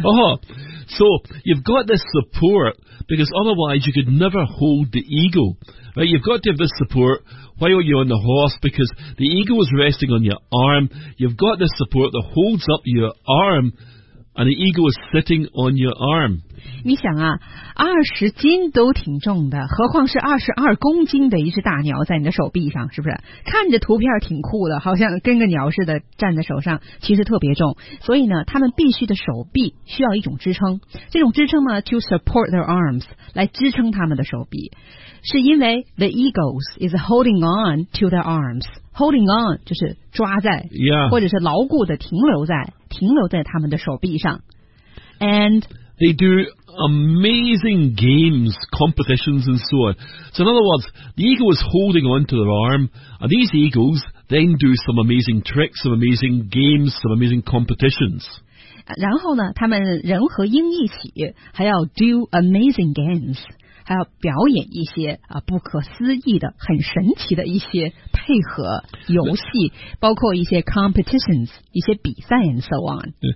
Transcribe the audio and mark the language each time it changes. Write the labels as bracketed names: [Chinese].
[English] Oh, so you've got this support because otherwise you could never hold the eagle. Right, you've got to have this support while you're on the horse because the eagle is resting on your arm. You've got this support that holds up your arm. And the eagle is sitting on your arm. [Chinese] 你想啊，二十斤都挺重的，何况是22公斤的一只大鸟在你的手臂上，是不是？看着图片挺酷的，好像跟个鸟似的站在手上，其实特别重。所以呢，他们必须的手臂需要一种支撑，这种支撑呢 ， [English] to support their arms， [Chinese] 来支撑他们的手臂，是因为 [English] the eagle is holding on to their arms。 Holding on [Chinese] 就是抓在、 [English] yeah. [Chinese] 或者是牢固的停留在他们的手臂上 And [English] They do amazing games competitions and so on So in other words the eagle is holding on to their arm and these eagles then do some amazing tricks some amazing games some amazing competitions [Chinese] 然后呢他们人和鹰一起还要 [English] do amazing games [Chinese] 还要表演一些、不可思议的很神奇的一些配合游戏包括一些 competitions 一些比赛 [English] and so on